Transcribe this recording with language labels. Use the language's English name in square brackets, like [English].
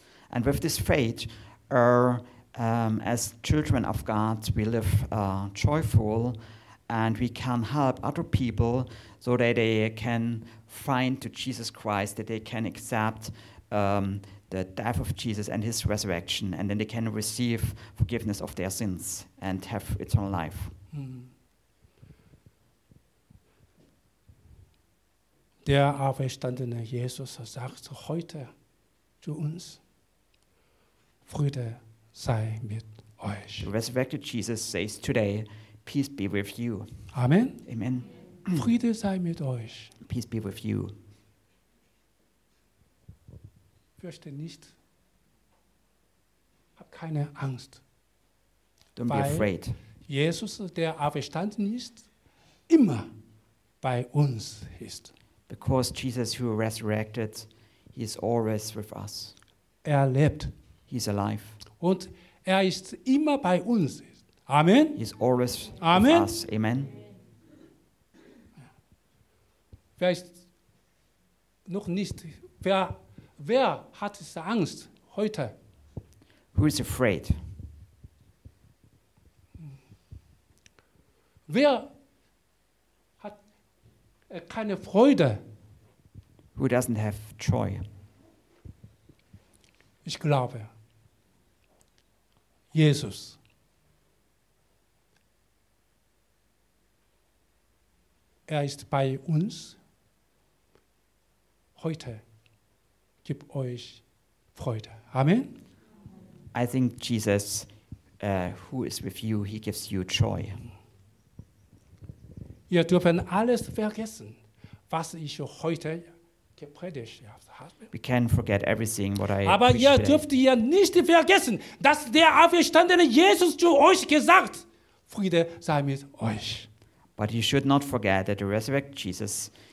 [English] And with this faith, as children of God, we live joyful and we can help other people so that they can find to Jesus Christ, that they can accept the death of Jesus and his resurrection, and then they can receive forgiveness of their sins and have eternal life. [German] Der auferstandene Jesus sagt heute zu uns, Friede sei mit euch. [English] The resurrected Jesus says today, peace be with you. Amen. Amen. [German] Friede sei mit euch. [English] Peace be with you. [German] Fürchte nicht. Hab keine Angst. [English] Don't be afraid. [German] Jesus, der auferstanden ist, immer bei uns ist. [English] Because Jesus who resurrected, he is always with us. [German] Er lebt. [English] He's alive. [German] Und er ist immer bei uns. Amen. [English] He's always Amen. With us. Amen. [German] Wer ist noch nicht, wer hat Angst heute? [English] Who is afraid? [German] Wer hat keine Freude? [English] Who doesn't have joy? [German] Ich glaube, Jesus ist bei uns. Heute gibt euch Freude. Amen. [English] I think Jesus, who is with you, he gives you joy. [German] Ihr dürft alles vergessen, was ich heute gepredigt habe. [English] We can forget everything what I [German] Aber ihr dürft ihr nicht vergessen, dass der auferstandene Jesus zu euch gesagt, Friede sei mit euch. [English] But you should not forget that the resurrected Jesus